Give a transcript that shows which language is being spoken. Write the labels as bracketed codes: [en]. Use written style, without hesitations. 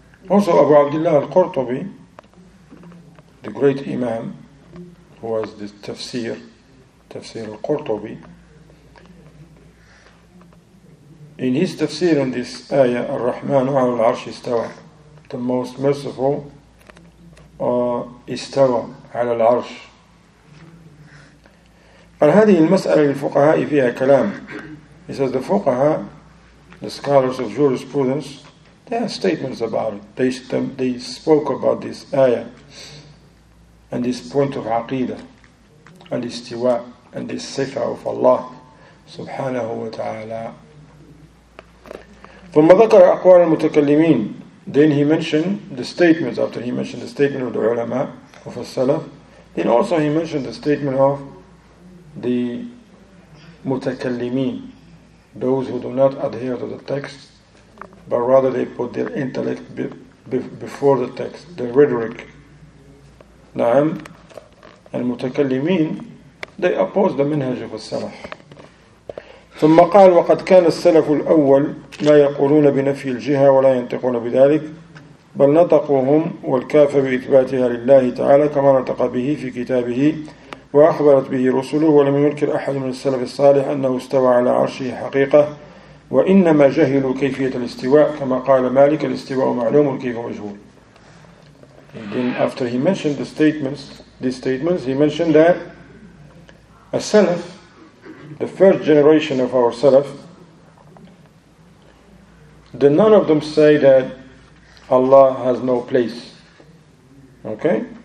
[en] Also أبو عبد الله القرطبي, the great imam who was the تفسير القرطبي, in his تفسير in this آية [ar] الرحمن على العرش استوى, [en] the most merciful [ar] استوى على العرش. قال هذه المسألة للفقهاء فيها كلام. [en] He says the فقهاء, the scholars of jurisprudence, they have statements about it. They spoke about this ayah and this point of عقيدة الاستواء and this صفة of Allah [ar] سبحانه وتعالى. ثم ذكر أقوال المتكلمين. [en] Then he mentioned the statements. After he mentioned the statement of the ulama of the salaf, then also he mentioned the statement of the mutakallimin, those who do not adhere to the text, but rather they put their intellect before the text, the rhetoric. Na'am. And mutakallimin, they oppose the minhaj of al-salaf. [ar] ثم قال وقد كان السلف الأول لا يقولون بنفي الجهة ولا ينطقون بذلك بل نطقوهم والكاف بإثباتها لله تعالى كما نطق به في كتابه وأخبرت به رسله ولم ينكر أحد من السلف الصالح أنه استوى على عرشه حقيقة وإنما جهلوا كيفية الاستواء كما قال مالك الاستواء معلوم كيف مجهول. [en] Then after he mentioned the statements, these statements, he mentioned that a Salaf, the first generation of our Salaf, did none of them say that Allah has no place. Okay?